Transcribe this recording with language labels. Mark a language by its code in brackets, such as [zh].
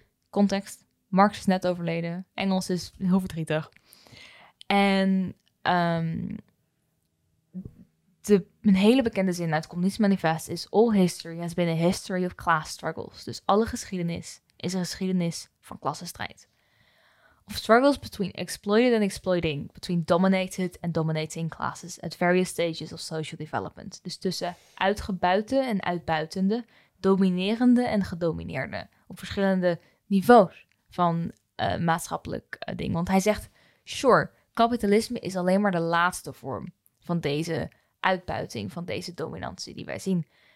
[nl] Context, Marx is net overleden. Engels is heel verdrietig. En een hele bekende zin uit het Communist Manifest is: [en] all history has been a history of class struggles. [nl] Dus alle geschiedenis is een geschiedenis van klassenstrijd. [en] Of struggles between exploited and exploiting, between dominated and dominating classes at various stages of social development. [nl] Dus tussen uitgebuite en uitbuitende, dominerende en gedomineerde. Op verschillende niveaus van maatschappelijk ding. Want hij zegt, sure, kapitalisme is alleen maar de laatste vorm van deze uitbuiting, van deze dominantie die wij zien.